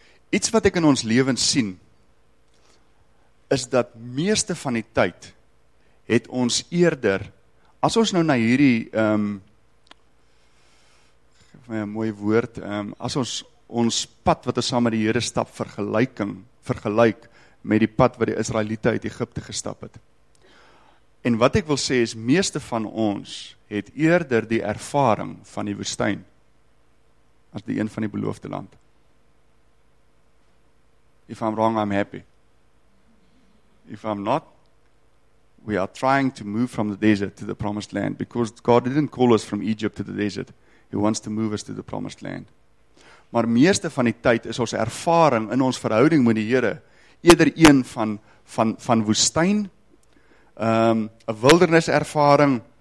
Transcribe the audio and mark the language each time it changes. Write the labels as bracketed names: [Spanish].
[Afrikaans] Iets wat ek in ons lewens sien is dat meeste van die tyd het ons eerder as ons nou na hierdie geef my 'n mooi woord as ons pad wat ons saam met die Here stap vergelyk met die pad wat die Israeliete uit Egipte gestap het. En wat ek wil sê is meeste van ons het eerder die ervaring van die woestyn as die een van die beloofde land. [English] If I'm wrong, I'm happy. If I'm not, we are trying to move from the desert to the promised land because God didn't call us from Egypt to the desert. He wants to move us to the promised land. [Afrikaans] Maar meeste van die tyd is ons ervaring in ons verhouding met die Here eerder een van woestyn, 'n wildernis ervaring.